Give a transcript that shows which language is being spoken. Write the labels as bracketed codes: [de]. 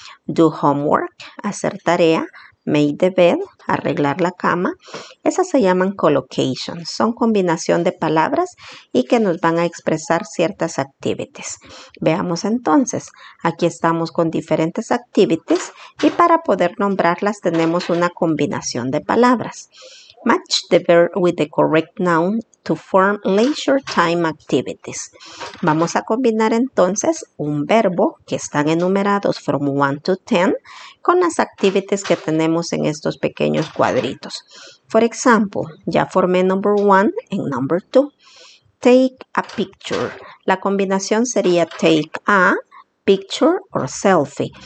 [en] Do homework, [es] hacer tarea. [en] Make the bed, [es] arreglar la cama. Esas se llaman collocations. Son combinación de palabras y que nos van a expresar ciertas activities. Veamos entonces. Aquí estamos con diferentes activities y para poder nombrarlas tenemos una combinación de palabras. [en] Match the verb with the correct noun to form leisure time activities. [es] Vamos a combinar entonces un verbo que están enumerados [en] from 1 to 10 [es] con las activities que tenemos en estos pequeños cuadritos. [en] For example, [es] ya formé [en] number 1 en number 2. Take a picture. [es] La combinación sería [en] take a picture or selfie.